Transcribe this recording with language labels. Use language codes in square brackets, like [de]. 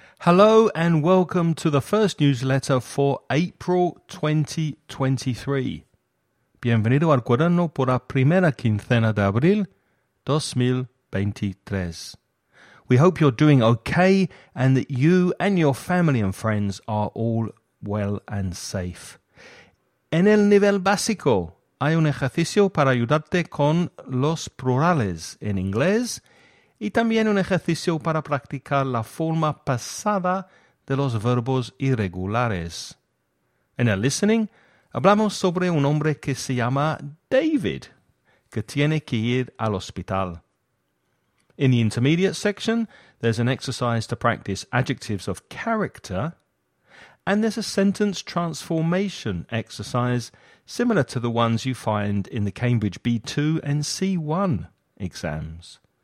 [en] Hello and welcome to the first newsletter for April 2023. [es] Bienvenido al cuaderno por la primera quincena de abril 2023. [en] We hope you're doing okay and that you and your family and friends are all well and safe. [es] En el nivel básico, hay un ejercicio para ayudarte con los plurales en inglés y también un ejercicio para practicar la forma pasada de los verbos irregulares. En el listening, hablamos sobre un hombre que se llama David, que tiene que ir al hospital. [en] In the intermediate section, there's an exercise to practice adjectives of character, and there's a sentence transformation exercise similar to the ones you find in the Cambridge B2 and C1 exams.